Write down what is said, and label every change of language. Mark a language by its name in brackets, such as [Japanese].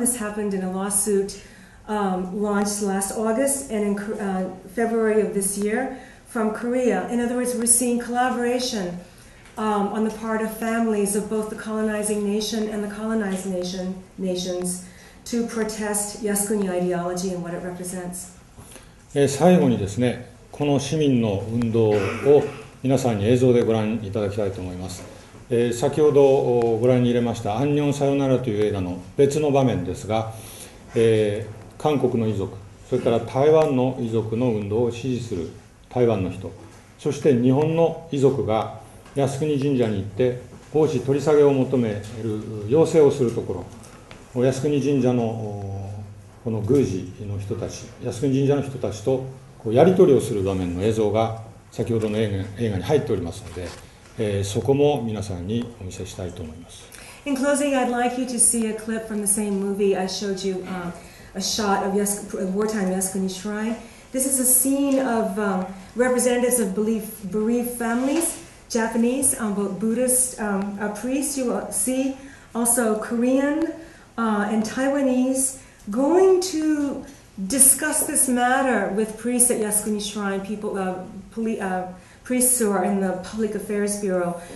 [English] This happened in a lawsuit launched last August and in February of this year from Korea. In other words, we're seeing collaboration on the part of families of both the colonizing nation and the colonized nations to protest Yasukuni ideology and what it represents. [Japanese] 最後にですね、この市民の運動を皆さんに映像でご覧いただきたいと思います。先ほどご覧に入れましたアンニョンさよならという映画の別の場面ですが、韓国の遺族、それから台湾の遺族の運動を支持する台湾の人、そして日本の遺族が靖国神社に行って合祀取り下げを求める要請をするところ、靖国神社のこの宮司の人たち、靖国神社の人たちとこうやり取りをする場面の映像が先ほどの映画に入っておりますので、そこも皆さんにお見せしたいと思います。 [English] In closing, I'd like you to see a clip from the same movie I showed you, a shot of wartime Yasukuni Shrine. This is a scene of representatives of bereaved families, Japanese, both Buddhist priests, you will see, also Korean and Taiwanese, going to discuss this matter with priests at Yasukuni Shrine, people, priests who are in the Public Affairs Bureau.